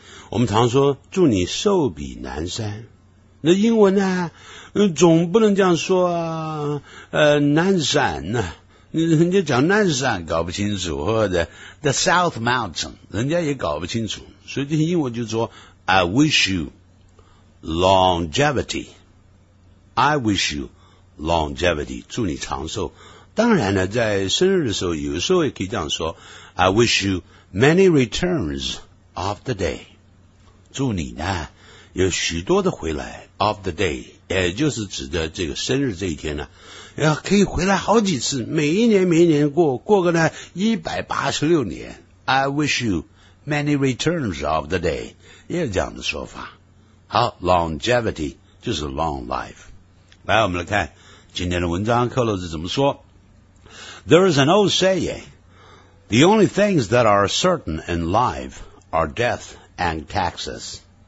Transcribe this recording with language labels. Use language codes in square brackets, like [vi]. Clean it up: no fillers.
[zh] 我们常说祝你寿比南山，那英文呢，总不能这样说啊，南山呢、啊，人家讲南山搞不清楚，或者 [en] the South Mountain， [zh] 人家也搞不清楚，所以这些英文就说。 [en] I wish you longevity. I wish you longevity. [zh] 祝你长寿。当然呢，在生日的时候，有时候也可以这样说。 [en] I wish you many returns of the day. [zh] 祝你呢，有许多的回来 [en] of the day， [zh] 也就是指的这个生日这一天呢，要可以回来好几次，每一年每一年过，过个呢186年。 [en] I wish you many returns of the day. [zh] 也有这样的说法。好 ,longevity 就是 [en] long life。 [zh] 来我们来看今天的文章克洛兹怎么说。 [en] There is an old saying, the only things that are certain in life are death and taxes.